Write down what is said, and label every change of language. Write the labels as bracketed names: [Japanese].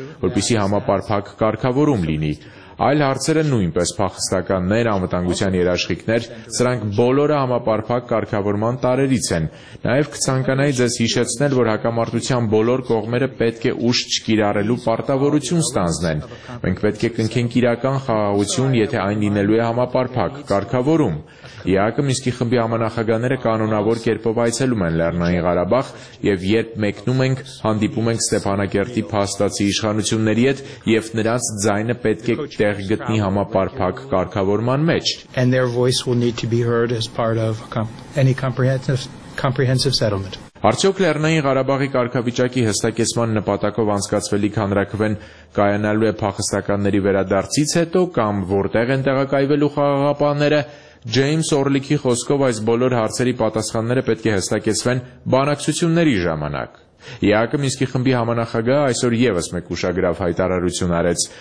[Armenian] որպեսզի համապարփակ կարգավորում լինի։ Այլ հարցերը նույնպես փախստականներ, անվտանգության երաշխիքներ, սրանք բոլորը համապարփակ կարգավորման տարերից են։ Նաև կցանկանայի ձեզ հիշեցնել, որ հակամարտության բոլոր կողմերը պետք է ուշ կիրառելու պարտավորություն ստանձնեն։ Մենք պետք է կնքենք իրական խաղաղություն, եթե այն լինելու է համապարփակ կարգավորում։ ԵԱՀԿ Մինսկի խմբի համանախագահները կանոնավոր կերպով այցելում են Լեռնային Ղարաբաղ, եւ երբ մեկնում ենք, հանդիպում ենք Ստեփանակերտի փաստացի իշխանությունների հետ, եւ նրանց ձայնը պետք է տեղ գտնի համապարփակ կարգավորման մեջ։ [English] And their voice will need to be heard as part of any comprehensive settlement. [Armenian] Արդյոք Լեռնային Ղարաբաղի կարգավիճակի հստակեցման նպատակով անցկացվելիք հանրակրվեն կայանալու է փախստականների վերադարձից հետո, կամ որտեղ են տեղակայվելու խաղաղապահները, Ջեյմս Օրլիքի խոսքով այս բոլոր հարցերի պատասխանները պետք է հստակեցվեն բանակցությունների ժամանակ։ ԵԱՀԿ Մինսկի խմբի համանախագահ այսօր ևս մեկ ուշագրավ հայտարարություն արեց.